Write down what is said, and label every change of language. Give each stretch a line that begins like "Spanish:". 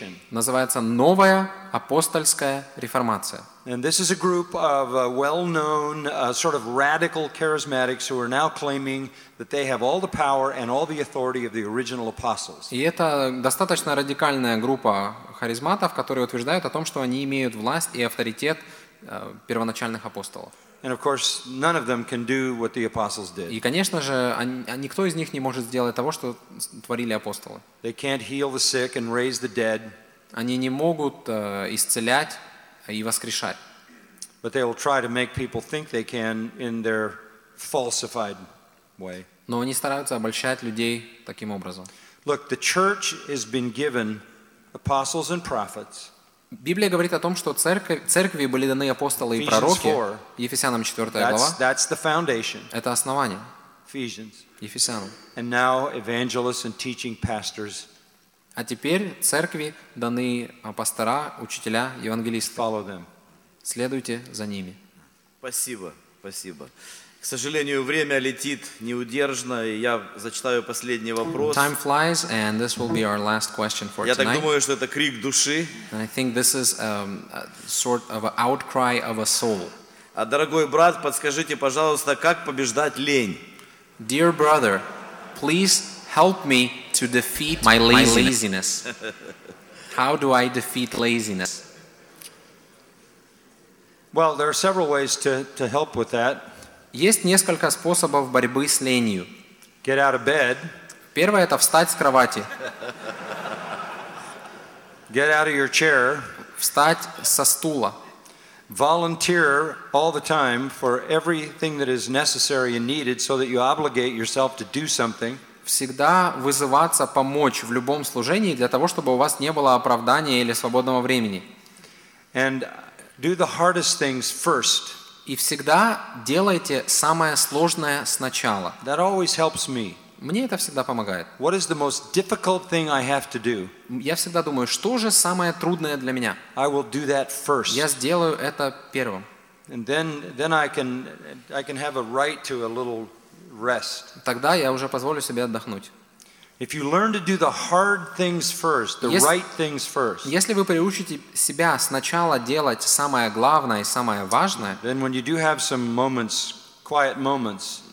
Russian: Называется «Новая апостольская реформация».
English: And this is a group of well-known sort of radical charismatics who are now claiming that they have all the power and all the authority of the original apostles.
Russian: И это достаточно радикальная группа харизматов, которые утверждают о том, что они имеют власть и авторитет первоначальных апостолов.
English: And of course, none of them can do what the apostles did.
Russian: И, конечно же, никто из них не может сделать того, что творили апостолы.
English: They can't heal the sick and raise the dead.
Russian: Они не могут исцелять и воскрешать.
English: But they will try to make people think they can in their falsified way.
Russian: Но они стараются обольщать людей таким образом.
English: Look, the church has been given apostles and prophets.
Russian: Библия говорит о том, что церкви были даны апостолы и пророки. Ефесянам 4 глава.
English: That's the foundation.
Russian: Это основание.
English: Ephesians.
Russian: Ефесянам.
English: And now evangelists and teaching pastors.
Russian: А теперь церкви даны пастора, учителя, евангелисты. Следуйте за ними. Спасибо, спасибо. К сожалению, время летит неудержно, и я зачитаю последний вопрос.
English: Time flies, and this will be our last question for tonight.
Russian: Я так думаю, что это крик души.
English: And I think this is a sort of an outcry of a soul.
Russian: А, дорогой брат, подскажите, пожалуйста, как побеждать лень?
English: Dear brother, please help me to defeat my laziness. How do I defeat laziness? Well, there are several ways to help with that.
Russian: Есть несколько способов борьбы с ленью.
English: Get out of bed.
Russian: Первое – это встать с кровати.
English: Get out of your chair.
Russian: Встать со стула.
English: Volunteer all the time for everything that is necessary and needed so that you obligate yourself to do something.
Russian: Всегда вызываться помочь в любом служении для того, чтобы у вас не было оправдания или свободного времени.
English: And do the hardest things first.
Russian: И всегда делайте самое сложное сначала.
English: That always helps me.
Russian: Мне это всегда помогает.
English: What is the most difficult thing I have to do?
Russian: Я всегда думаю, что же самое трудное для меня?
English: I will do that first.
Russian: Я сделаю это первым.
English: And then I can have a right to a little rest.
Russian: Тогда я уже позволю себе отдохнуть.
English: If you learn to do the hard things first, the right things first.
Russian: Если вы приучите себя сначала делать самое главное и самое важное,
English: then when you do have some moments, quiet moments,